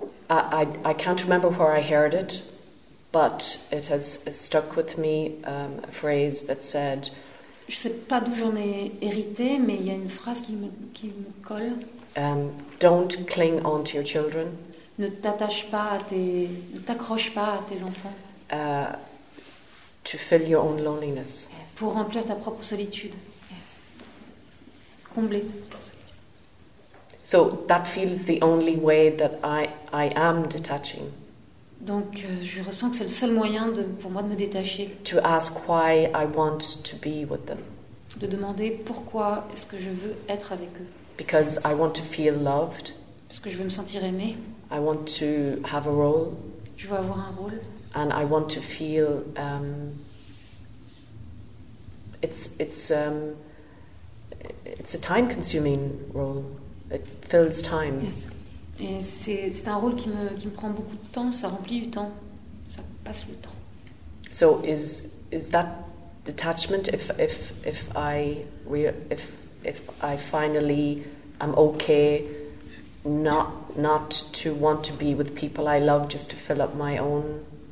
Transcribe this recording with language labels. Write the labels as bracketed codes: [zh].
[en] I can't remember where I heard it, but it has stuck with me, a phrase that said... [fr] Je sais pas d'où j'en ai hérité, mais il y a une phrase qui me colle. [en] Don't cling on to your children. [fr] Ne t'accroche pas à tes enfants. [en] To fill your own loneliness. Yes. [fr] Pour remplir ta propre solitude. [en] Yes. [fr] Combler. [en] So that feels the only way that I am detaching. [fr] Donc je ressens que c'est le seul moyen pour moi de me détacher. [en] To ask why I want to be with them. [fr] De demander pourquoi est-ce que je veux être avec eux. [en] Because I want to feel loved. [fr] Parce que je veux me sentir aimée. [en] I want to have a role. [fr] Je veux avoir un rôle. [en] And I want to feel it's a time consuming role. It fills time. Yes. [fr] Et c'est un rôle qui me prend beaucoup de temps, ça remplit du temps, ça passe le temps. [en] So is that detachment if I finally am okay not to want to be with people I love just to fill up my own.